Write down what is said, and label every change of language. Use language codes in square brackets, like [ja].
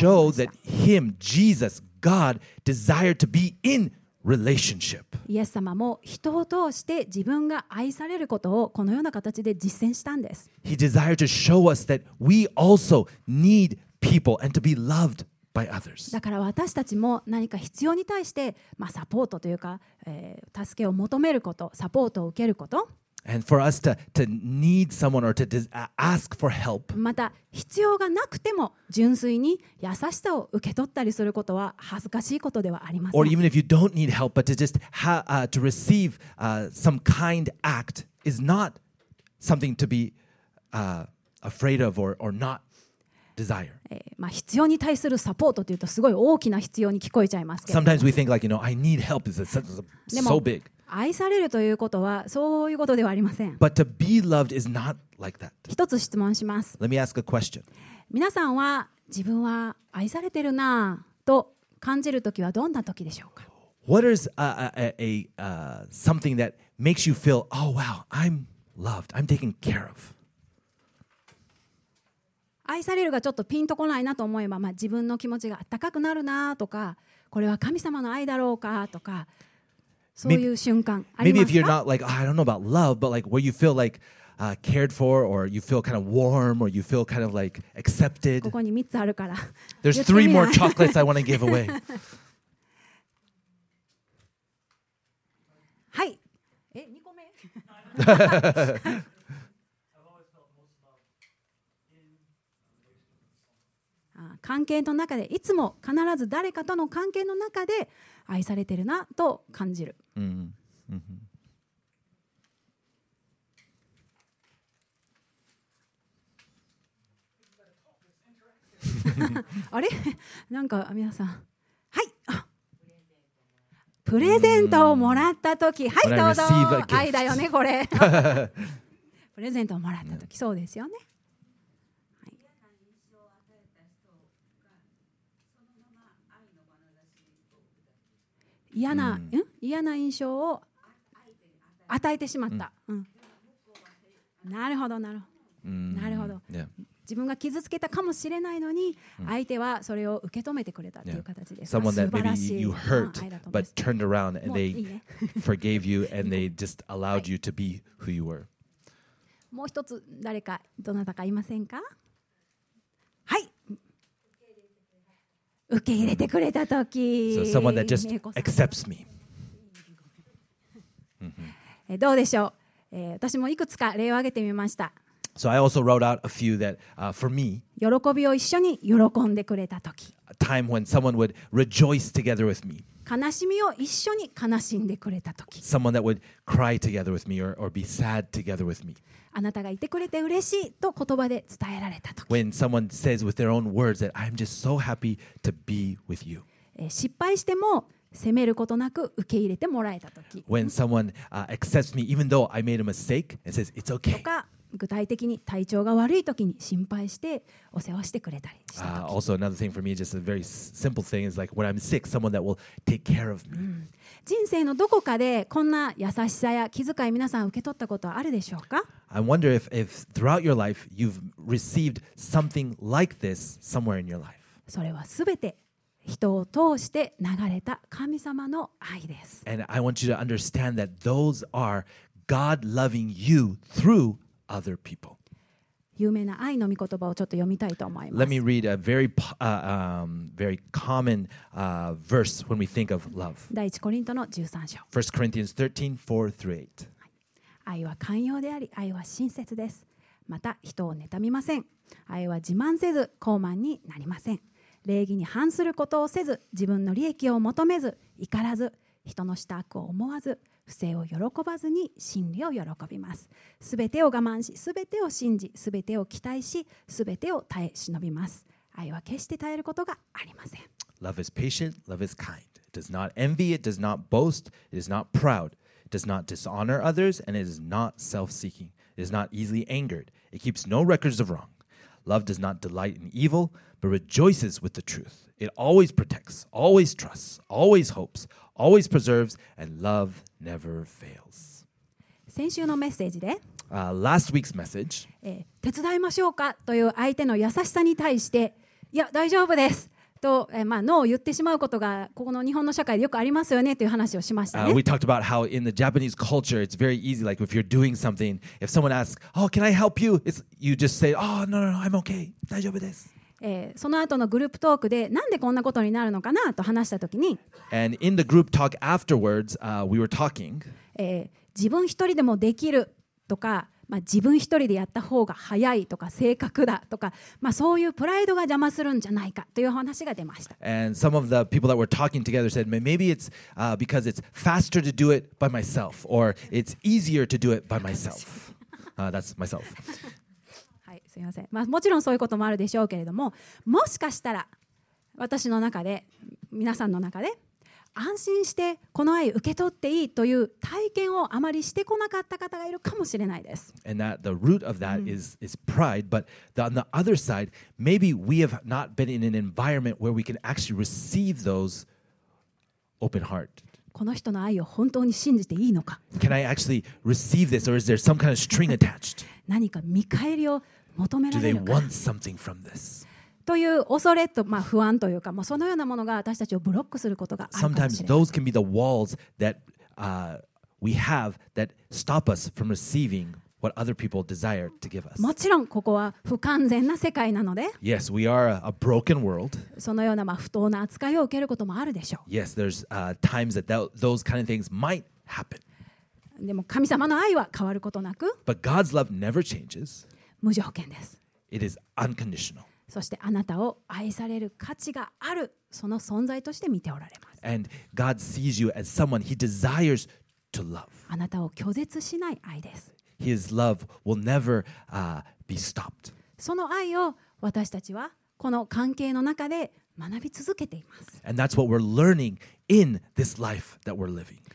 [en] It's to show that him, Jesus, God, desired to be in. Relationship. [ja] イエス様も人を通して自分が愛されることをこのような形で実践したんです。 [en] He desired to show us that we also need people and to be loved by others. [ja] だから私たちも何か必要に対して、まあ、サポートというか、助けを求めること、サポートを受けること。 [en] And for us to need someone or to ask for help. [ja] また必要がなくても純粋に優しさを受け取ったりすることは恥ずかしいことではありません。 [en] Or even if you don't need help, but to just to receive some kind act is not something to be afraid of or not. Desire. [ja] まあ必要に対するサポートというとすごい大きな必要に聞こえちゃいますけど。 [en] Sometimes we think like, you know, I need help is so big. [ja] 愛されるということはそういうことではありません。 [en] But to be loved is not like that. [ja] 一つ質問します。 [en] Let me ask a question. [ja] 皆さんは自分は愛されてるなと感じるときはどんなときでしょうか。 [en] What is something that makes you feel, oh wow, I'm loved, I'm taken care of? [ja] 愛されるがちょっとピンとこないなと思えば、まあ、自分の気持ちが高くなるなとか、これは神様の愛だろうかとか、そういう瞬間ありますか？ [en] Maybe if you're not like, I don't know about love, but like where you feel likeCared for, or you feel kind of warm, or you feel kind of like accepted. [ja] ここに3つあるから。 [en] There's three more chocolates I want to give away. [ja] はい。え、2個目。 [en] I've always felt most loved in [ja] 関係の中で、いつも必ず誰かとの関係の中で愛されてるなと感じる。 Mm-hmm. Mm-hmm. あれなんか皆さん、はい、あ、プレゼントをもらったとき、はい、どうぞ、愛だよねこれプレゼントをもらったとき、そうですよね、はい、嫌な、うん、嫌な印象を与えてしまった、うんうん、なるほどなるほど、なるほど、自分が傷つけたかもしれないのに、相手はそれを受け止めてくれたという形です。 [en] Yeah. Someone that maybe you hurt, but turned around and they forgave you and they just allowed you to be who you were. [ja] もう一つ誰かどなたかいませんか？はい。受け入れてくれたとき。 [en] So someone that just accepts me. [ja] どうでしょう、私もいくつか例を挙げてみました。 [en] So I also wrote out a few that for me. [ja] 喜びを一緒に喜んでくれた時。 [en] A time when someone would rejoice together with me. [ja] 悲しみを一緒に悲しんでくれた時。 [en] Someone that would cry together with me or be sad together with me. [ja] あなたがいてくれて嬉しいと言葉で伝えられた時。 [en] When someone says with their own words that I'm just so happy to be with you. [ja] 失敗しても責めることなく受け入れてもらえた時。 [en] When someone accepts me even though I made a mistake and says it's okay. [ja] 具体的に体調が悪い時に心配してお世話してくれたりした時。 [en] Also another thing for me, just a very simple thing is like when I'm sick, someone that will take care of me. [ja] 人生のどこかでこんな優しさや気遣い皆さん受け取ったことはあるでしょうか？ [en] I wonder if throughout your life you've received something like this somewhere in your life. [ja] それはすべて人を通して流れた神様の愛です。 [en] And I want you to understand that those are God loving you through other people. [ja] 有名な愛の御言葉をちょっと読みたいと思います。 [en] Let me read a very, very common, verse when we think of love. [ja] 第一コリントの13章。 [en] 1 Corinthians 13, 4 through 8. [ja] 愛は寛容であり、愛は親切です。また人を妬みません。愛は自慢せず、高慢になりません。礼儀に反することをせず、自分の利益を求めず、怒らず、人の下悪を思わず、不正を喜ばずに真理を喜びます。すべてを我慢し、すべてを信じ、すべてを期待し、すべてを耐え忍びます。愛は決して耐えることがありません。 [en] Love is patient, love is kind. It does not envy, it does not boast, it is not proud. It does not dishonor others, and it is not self-seeking. It is not easily angered. It keeps no records of wrong. Love does not delight in evil, but rejoices with the truth. It always protects, always trusts, always hopes,Always preserves, and love never fails. [ja] 先週のメッセージで、 [en] last week's message, [ja] 手伝いましょうかという相手の優しさに対して、いや大丈夫ですと、まあ、ノーを言ってしまうことがここの日本の社会でよくありますよねという話をしましたね。 [en] We talked about how in the Japanese culture it's very easy, like if you're doing something, if someone asks, oh, can I help you? It's, you just say, oh, no, no, no, I'm okay, [ja] 大丈夫です。その後のグループトークでなんでこんなことになるのかなと話したときに、 [en] And in the group talk afterwards, we were talking, [ja] 自分一人でもできるとか、まあ、自分一人でやった方が早いとか正確だとか、まあ、そういうプライドが邪魔するんじゃないかという話が出ました。 [en] And some of the people that were talking together said, maybe it's because it's faster to do it by myself, or it's easier to do it by myself. That's myself. [ja] すみません、まあ、もちろんそういうこともあるでしょうけれども、もしかしたら私の中で皆さんの中で安心してこの愛受け取っていいという体験をあまりしてこなかった方がいるかもしれないです。 [en] And that the root of that is pride, but on the other side, maybe we have not been in an environment where we can actually receive those open heart. [ja] この人の愛を本当に信じていいのか。 [en] Can I actually receive this, or is there some kind of string attached? [ja] 何か見返りを求められるか。 [en] Do they want something from this? [ja] という恐れと、まあ、不安というか、もうそのようなものが私たちをブロックすることがあるかもしれません。 [en] Sometimes those can be the walls that, we have that stop us from receiving what other people desire to give us. [ja] もちろんここは不完全な世界なので。 [en] Yes, we are a broken world. [ja] そのようなまあ不当な扱いを受けることもあるでしょう。 [en] Yes, there's times that those kind of things might happen. [ja] でも神様の愛は変わることなく。 [en] But God's love never changes. [ja] 無条件です。 [en] It is unconditional. [ja] そしてあなたを愛される価値があるその存在として見ておられます。 [en] And God sees you as someone He desires to love. [ja] あなたを拒絶しない愛です。 [en] His love will never be stopped. [ja] その愛を私たちはこの関係の中で学び続けています。 [en] And that's what we're learning in this life that we're living.